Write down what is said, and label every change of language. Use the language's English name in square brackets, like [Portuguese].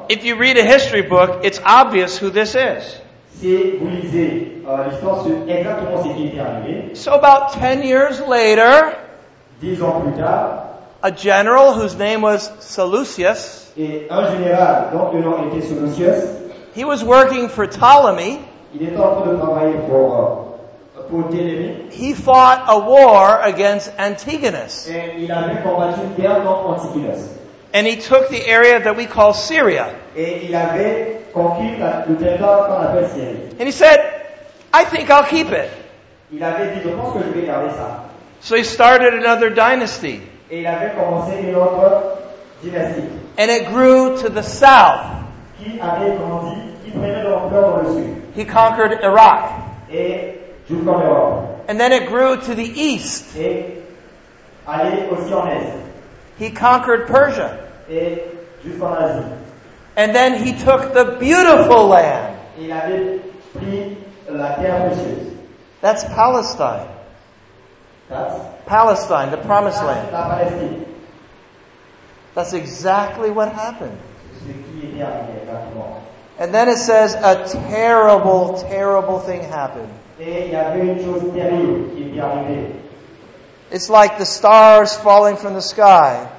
[English] If you read a history book, it's obvious who this is. [French] Si vous lisez l'histoire, c'est exactement ce qui est arrivé. [English] So about 10 years later, [French] 10 ans plus tard, [English] a general whose name was Seleucus, [French] et un général dont le nom était Seleucus, [English] he was working for Ptolemy. [French] Il était en train de travailler pour Ptolemy. [English] He fought a war against Antigonus. [French] Et il a même combattu une guerre contre Antigonus. [English] And he took the area that we call Syria. [French] Et il avait conquis le territoire qu'on appelle Syrie. [English] And he said, I think I'll keep it. [French] Il avait dit, je pense que je vais garder ça. [English] So he started another dynasty. [French] Et il avait commencé une autre dynastie. [English] And it grew to the south. [French] Qui avait grandi, qui prenait l'ampleur dans le sud. [English] He conquered Iraq. [French] Et jusqu'en Europe. [English] And then it grew to the east. [French] Et allait aussi en est. [English] He conquered Persia. [French] Et jusqu'en Asie. [English] And then he took the beautiful land. [French] Il avait pris la terre précieuse. [English] That's Palestine. That's Palestine, the promised land. [French] La Palestine. [English] That's exactly what happened. [French] Ce qui est arrivé, exactement. [English] And then it says a terrible, terrible thing happened. [French] Et il y avait une chose terrible qui est arrivée. [English] It's like the stars falling from the sky.